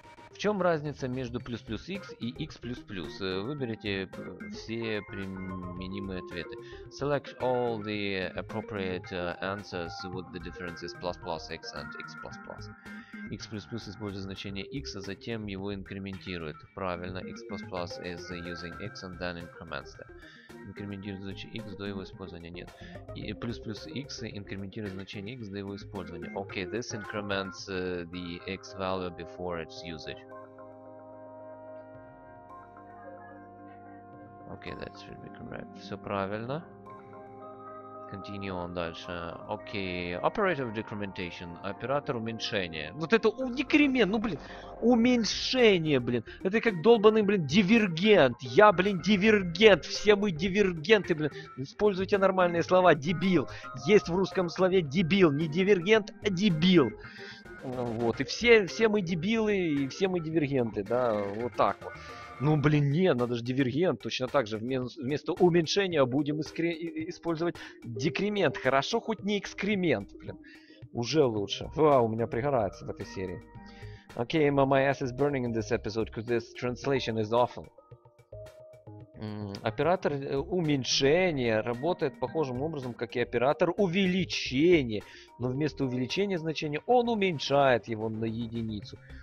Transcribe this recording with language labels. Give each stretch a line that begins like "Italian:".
Russian: В чем разница между плюс плюс x и x плюс плюс? Выберите все применимые ответы.
English: Select all the appropriate answers with the differences plus plus x and x plus plus.
Russian: X плюс плюс использует значение x, а затем его инкрементирует. Правильно, x плюс плюс
English: is using x and then increments that.
Russian: Инкрементирует значение x до его использования. Нет. И плюс плюс x инкрементирует значение x до его использования.
English: Okay, this increments the x value before its usage. Okay, that should be correct.
Russian: Все правильно.
English: Continue on
Russian: дальше. Окей.
English: Okay. Operator decrementation.
Russian: Оператор уменьшения. Вот это декремент, ну блин. Уменьшение, блин. Это как долбанный, блин, дивергент. Я, блин, дивергент. Все мы дивергенты, блин. Используйте нормальные слова. Дебил. Есть в русском слове дебил. Не дивергент, а дебил. Вот. И все мы дебилы, и все мы дивергенты, да. Вот так вот. Ну, блин, не, надо же дивергент. Точно так же вместо уменьшения будем использовать декремент. Хорошо, хоть не экскремент, блин. Уже лучше. Фу, у меня пригорается в этой серии. Окей,
English: okay, my ass is burning in this episode, because this translation is awful.
Russian: Оператор уменьшения работает похожим образом, как и оператор увеличения. Но вместо увеличения значения он уменьшает его на единицу.